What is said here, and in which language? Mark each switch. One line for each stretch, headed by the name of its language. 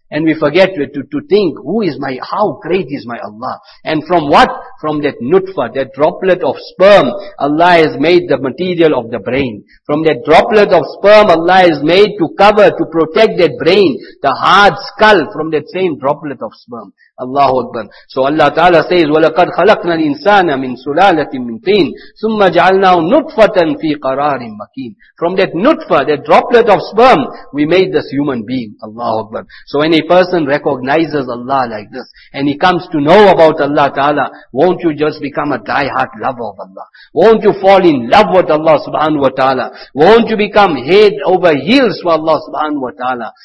English: And we forget to think, how great is my Allah? And from what? From that nutfa, that droplet of sperm, Allah has made the material of the brain. From that droplet of sperm, Allah has made to cover, to protect that brain, the hard skull, from that same droplet of sperm. Allahu Akbar. So Allah Ta'ala says,
Arabic: وَلَقَدْ خَلَقْنَا الْإِنسَانَ مِنْ سُلَالَةٍ مِنْ طِينٍ ثُمَّ جَعَلْنَاهُ نُطْفَةً فِي قَرَارٍ مَكِينٍ.
English: From that nutfa, that droplet of sperm, we made this human being. Allahu Akbar. So when a person recognizes Allah like this, and he comes to know about Allah Ta'ala, won't you just become a die-hard lover of Allah? Won't you fall in love with Allah Subhanahu Wa Ta'ala? Won't you become head over heels for Allah Subhanahu Wa Ta'ala?